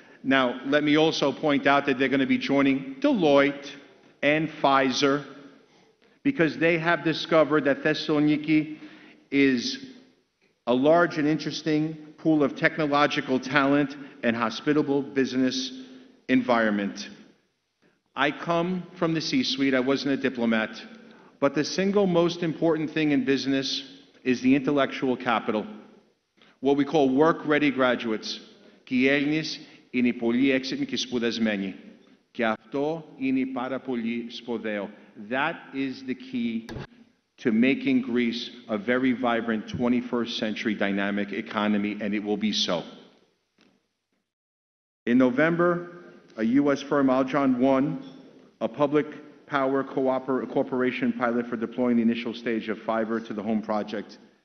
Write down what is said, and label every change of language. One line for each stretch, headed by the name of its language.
English: Now, let me also point out that they're going to be joining Deloitte and Pfizer because they have discovered that Thessaloniki is a large and interesting pool of technological talent and hospitable business environment. I come from the C-suite. I wasn't a diplomat. But the single most important thing in business is the intellectual capital. What we call work-ready graduates.
Greek: Και οι Έλληνες είναι πολύ έξυπνοι και σπουδασμένοι. Και αυτό είναι πάρα πολύ σπουδαίο.
English: That is the key to making Greece a very vibrant 21st century dynamic economy, and it will be so. In November, a U.S. firm, Aljon, won a public power corporation pilot for deploying the initial stage of fiber to the home project.